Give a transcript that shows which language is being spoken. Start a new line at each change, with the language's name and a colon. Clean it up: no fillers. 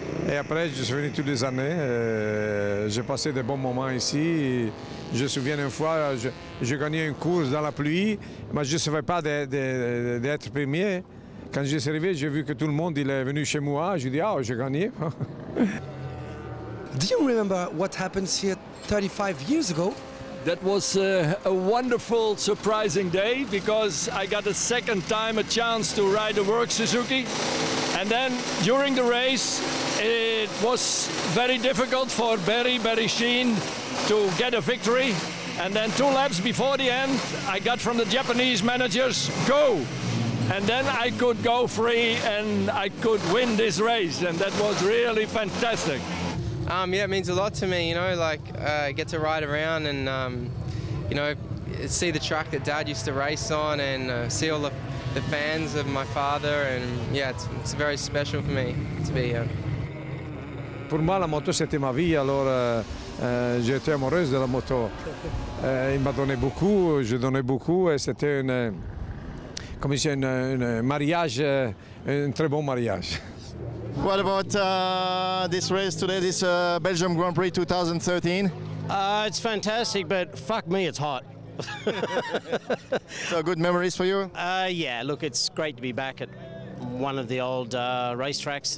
French: Et après, je suis venu toutes les années. J'ai passé de bons moments ici. Je me souviens une fois, j'ai gagné une course dans la pluie, mais je ne savais pas d'être premier. Quand je suis arrivé, j'ai vu que tout le monde il est venu chez moi. J'ai dit, ah, oh, j'ai gagné.
English: Do you remember what happened here 35 years ago? That was a wonderful, surprising day because I got a second time a chance to ride a work Suzuki. And then during the race, it was very difficult for Barry Sheen to get a victory. And then two laps before the end, I got from the Japanese managers, go! And then I could go free and I could win this race. And that was really fantastic. Yeah, it means a lot to me, you know, like get to ride around and, you know, see the track that Dad used to race on and see all the fans of my father. And yeah, it's very special for me to be here.
French: Pour moi, la moto, c'était ma vie, alors j'ai été amoureuse de la moto. Il m'a donné beaucoup, j'ai donné beaucoup et c'était un mariage, un très bon mariage.
English: What about this race today, this Belgium Grand Prix 2013? It's fantastic, but fuck me, it's hot. So good memories for you? Yeah, look, it's great to be back at one of the old racetracks.